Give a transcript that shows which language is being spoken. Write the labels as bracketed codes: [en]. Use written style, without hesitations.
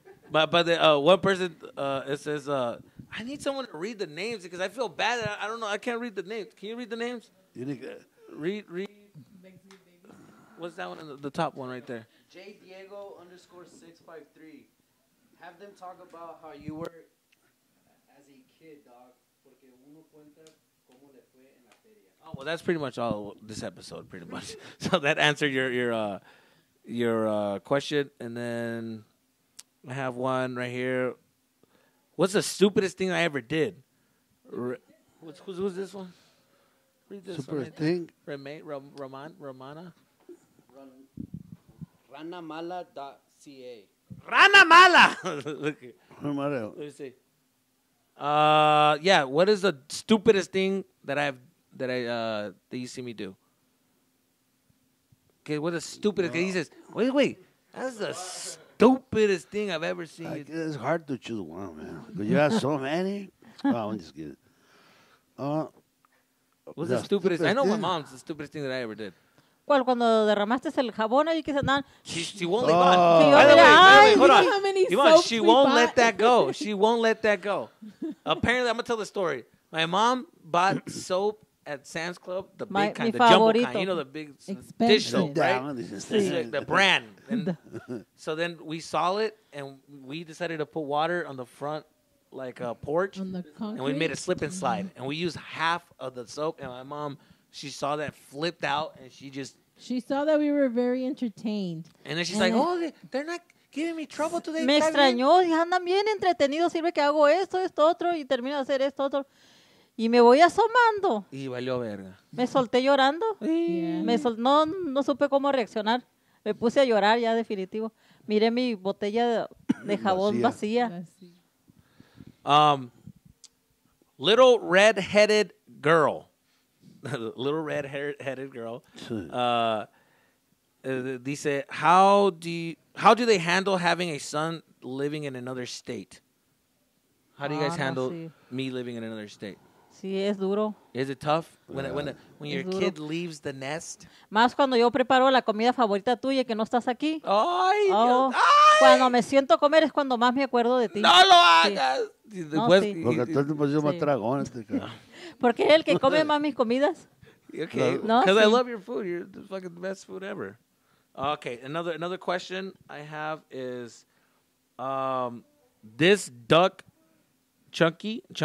[en] But one person, it says, I need someone to read the names because I feel bad. I don't know. I can't read the names. Can you read the names? You need that. Read. What's that one in the top one right there? J Diego underscore 653. Have them talk about how you were as a kid, dog. [es] Porque uno cuenta cómo le fue en la feria. [en] Oh, well, that's pretty much all this episode, pretty much. So that answered your question. And then I have one right here. What's the stupidest thing I ever did? Who's this one? Read this stupidest one. Right thing? Romana? Ranamala.ca. Ranamala! Ranamala. Let me see. Yeah, what is the stupidest thing that you see me do? Okay, what is the stupidest thing? No. He says, wait, that's the stupidest thing I've ever seen. It's hard to choose one, man. But you have so many. Oh, I'm just kidding. What's the stupidest thing? I know my mom's the stupidest thing that I ever did. [es] ¿Cuál? Cuando derramaste el jabón ahí que se andan. [en] She won't let that go. She won't let that go. Apparently, I'm going to tell the story. My mom bought soap at Sam's Club, the big kind, the [es] favorito. [en] Jumbo kind. You know, the big expensive dish soap, right? The brand. And so then we saw it, and we decided to put water on the front, like a porch. On the concrete? And we made a slip and slide. And we used half of the soap, and my mom... She saw that flipped out, and she just... She saw that we were very entertained. And then she's and like, oh, they're not giving me trouble today. [es] Me extrañó. Andan bien entretenidos. Sirve que hago esto, esto, otro, y termino de hacer esto, otro. Y me voy asomando. Y valió verga. Me solté llorando. Yeah. No supe cómo reaccionar. Me puse a llorar ya definitivo. Miré mi botella de jabón vacía. [en] Little red-headed girl. Little red-headed girl. They say, how do they handle having a son living in another state? How do you guys handle me living in another state? [es] Sí, es duro. [en] Is it tough when your kid leaves the nest? [es] Más cuando yo preparo la comida favorita tuya que no estás aquí. Ay, oh. Ay. Cuando me siento a comer es cuando más me acuerdo de ti. No lo hagas. Sí. Después, no, sí. Porque tú te pusiste más tragón este cara. Porque es el que come más mis comidas. [en] Okay. No. Because I love your food. You're the fucking best food ever. Okay. Another question I have is, this duck, chunky.